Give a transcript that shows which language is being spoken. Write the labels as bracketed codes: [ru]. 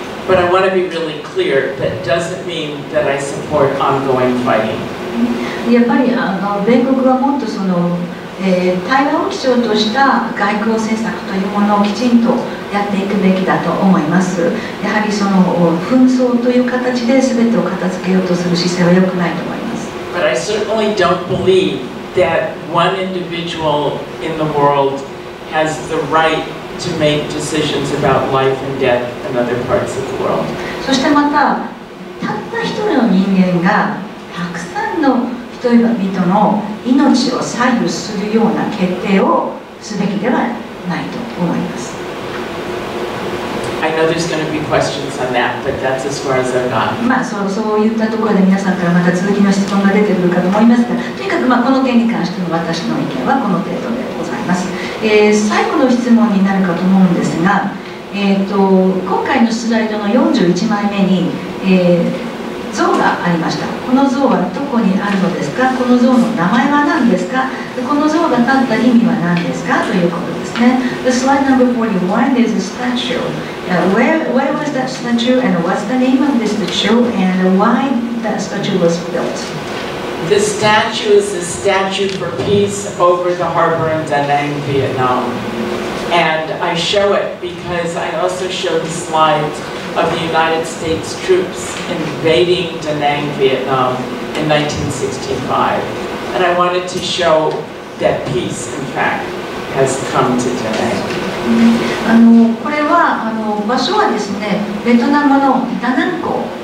[en] But I want to be really clear, that doesn't mean that I support ongoing fighting. [ja] やっぱり米国はもっとその、対話を基調とした外交政策というものをきちんとやっていくべきだと思います。やはりその紛争という形で全てを片付けようとする姿勢は良くないと思います。 [en] But I certainly don't believe that one individual in the world has the right to make decisions about life and death in other parts of the world. [ja] そしてまた、たった一人の人間がたくさんの人々の命を左右するような決定をすべきではないと思います。 [en] I know there's going to be questions on that, but that's as far as I've gone. [ja] まあ、そういったところで皆さんからまた続きの質問が出てくるかと思いますが、とにかく、まあ、この件に関しての私の意見はこの程度でございます。最後の質問になるかと思うんですが、今回のスライドの41枚目に、像がありました。この像はどこにあるのですか、この像の名前は何ですか、この像が立った意味は何ですかということですね。 [en] The slide number 41 is a statue. Where was that statue and what's the name of this statue and why that statue was built? The statue is a statue for peace over the harbor in Da Nang, Vietnam. And I show it because I also show the slides of the United States troops invading Da Nang, Vietnam in 1965. And I wanted to show that peace, in fact, has come to Da Nang. [ja] これは、場所はですね、ベトナムのダナン港。